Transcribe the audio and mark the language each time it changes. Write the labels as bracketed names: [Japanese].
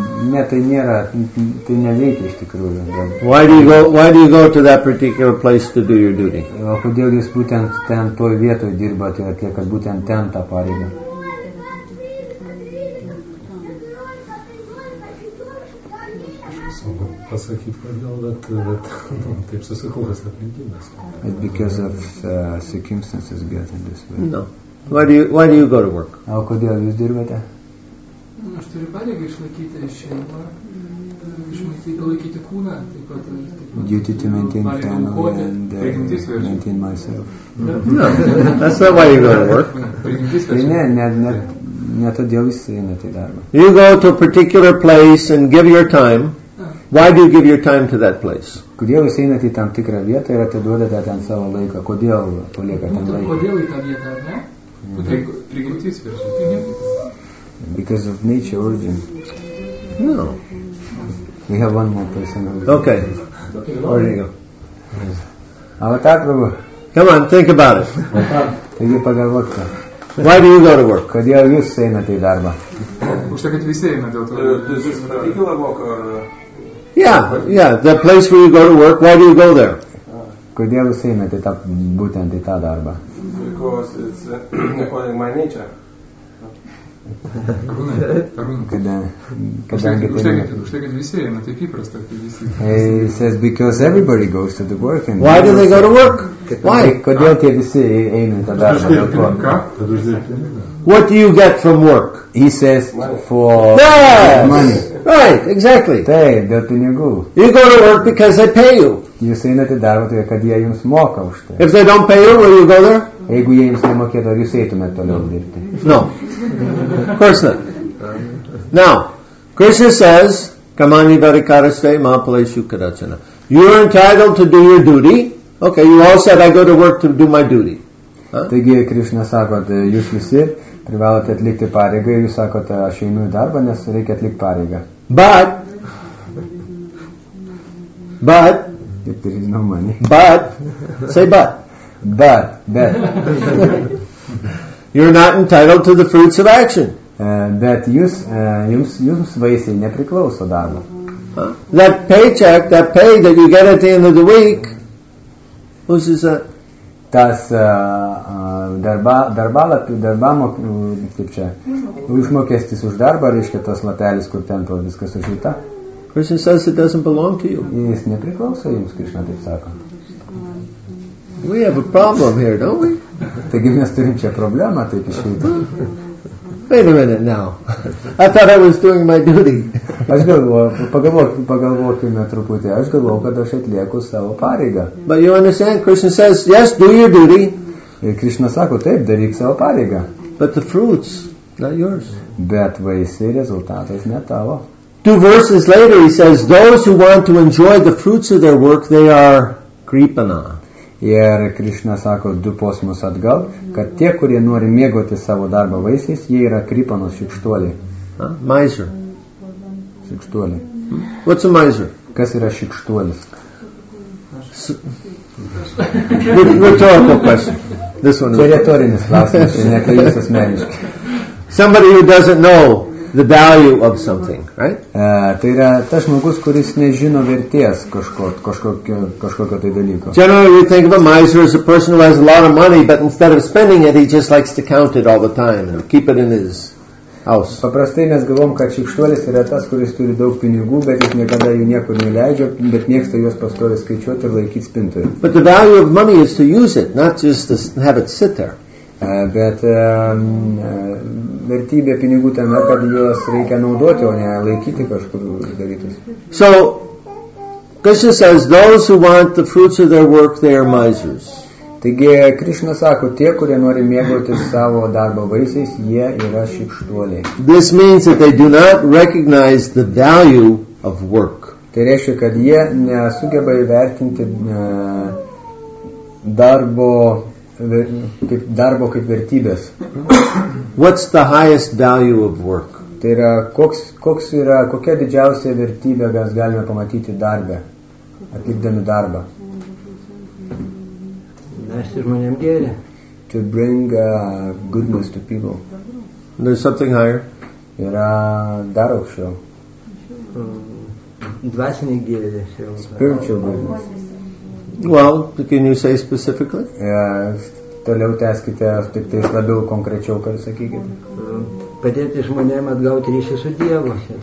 [Lithuanian] Ne, tai nėra, tai neveikia iš tikrųjų. [English] Why do you go to that particular place to do your duty? [Lithuanian] O kodėl jūs būtent ten toj vietoj dirbate, tai kad būtent ten tą pareigą? [English] It's because of circumstances getting this way. No. Why do you go to work? [Lithuanian] O kodėl jūs dirbate? Aš turiu pareigą išlaikyti šeimą, išmaityti, laikyti kūną, taip pat [English] duty to maintain family and maintain myself. No, that's not why you go to work. [Lithuanian] Ne, todėl jūs einate į darbą. [English] You go to a particular place and give your time. Why do you give your time to that place? [Lithuanian] Kodėl jūs einate į tam tikrą vietą ir atiduodate ten savo laiką? Kodėl paliekate ten laiką? Kodėl į tą vietą, ar ne? Prigimtis viršutinė. [English] Because of nature, origin. No. We have one more person. Okay. Where do you go? Avatar Prabhu. Come on, think about it. [Lithuanian] Taigi pagalvok ką. [English] Why do you go to work? [Lithuanian] Kodėl jūs einate į darbą? Užtai, kad visi eina dėl to. Jūs patikila voką ar... [English] Yeah, the place where you go to work, why do you go there? [Lithuanian] Kodėl jūs einate būtent į tą darbą? [English] Because it's according my nature. [Lithuanian] Kadangi tai... Užtekit visi eina, taip įprasta, kad visi... [English] He says, because everybody goes to the work. And why do they go to work? Why? Kodėl tie visi eina į tą darbą? What do you get from work? He says, for money. Right, exactly. [Lithuanian] Tai, dėl pinigų. [English] You go to work because they pay you. [Lithuanian] Jūs einate darbą, tai kad jie jums moka už tai. [English] If they don't pay you, will you go there? [Lithuanian] Jeigu jie jums nemokėtų, ar jūs eitumėt toliau dirbti? [English] No. Of course not. Now, Krishna says, [Sanskrit] Kamani Varikaraste Mahapaleshu Kadachana. [English] You're entitled to do your duty. Okay, you all said, I go to work to do my duty. [Lithuanian] Taigi, Krishna sako, jūs visi privalote atlikti pareigą, jūs sakote, aš einu į darbą, nes reikia atlikti pareigą. [English] But, if there is no money. But, say but. But. You're not entitled to the fruits of action. [Lithuanian] Bet jūs, jums vaisiai nepriklauso darbo. [English] That paycheck, that pay that you get at the end of the week, whose is that? [Lithuanian] Tas išmokestis už darbą, reiškia tas lapelis, kur ten to viskas užvita. [English] Krishna says it doesn't belong to you. [Lithuanian] Jis nepriklauso jums, Krishna taip sako. [English] We have a problem here, don't we? [Lithuanian] Taigi mes turim čia problemą, taip išvita. [English] Wait a minute now. I thought I was doing my duty. [Lithuanian] Aš galvoju, pagalvokime truputį. Aš galvoju, kad aš atlieku savo pareigą. [English] But you understand, Krishna says, yes, do your duty. [Lithuanian] Ir Krishna sako, taip, daryk savo pareigą. [English] But the fruits, not yours. [Lithuanian] Bet vaisiai rezultatas ne tavo. [English] Two verses later, he says, those who want to enjoy the fruits of their work, they are kripana. [Lithuanian] Ir Krishna sako du posmus atgal, kad tie, kurie nori mėgoti savo darbo vaisiais, jie yra kripanos šikštuoliai. [English] Miser. [Lithuanian] Šikštuoliai. [English] What's a miser? [Lithuanian] Kas yra šikštuolis? [English] Rhetorical question. This one. [Lithuanian] Retorinis klausimas, ne apie jūs asmeniškai. [English] Somebody who doesn't know the value of something, right? [Lithuanian] Tai yra tas žmogus, kuris nežino vertės kažkokio tai dalyko. [English] Generally, we think of a miser as a person who has a lot of money, but instead of spending it, he just likes to count it all the time and keep it in his aus. [Lithuanian] Paprastai mes galvom, kad šikštuolis yra tas, kuris turi daug pinigų, bet jis niekada jų niekur neleidžia, bet mėgsta juos pastoriai skaičiuoti ir laikyti spintoje. [English] But the value of money is to use it, not just to have it sit there. [Lithuanian] Vertybė pinigų tame, kad juos reikia naudoti, o ne laikyti kažkur darytus. [English] So, Krishna says, those who want the fruits of their work, they are misers. [Lithuanian] Taigi, Krishna sako, tie, kurie nori mėgauti savo darbo vaisiais, jie yra šikštuoliai. [English] This means that they do not recognize the value of work. [Lithuanian] Tai reiškia, kad jie nesugeba įvertinti darbo kaip darbo kaip vertybės. [English] What's the highest value of work? [Lithuanian] Tai yra, koks yra, kokia didžiausia vertybė mes galime pamatyti darbe, atlikdami darbą. Nešti žmonėm gėrį. [English] To bring goodness to people. There's something higher. [Lithuanian] Yra dar aukščiau. Dvasiniai gėrį. [English] Spiritual goodness. Well, can you say specifically? [Lithuanian] Yeah, toliau teskite, tik tai labiau konkrečiau, ką jūs sakykite. Padėti žmonėm atgauti ryšį su Dievu.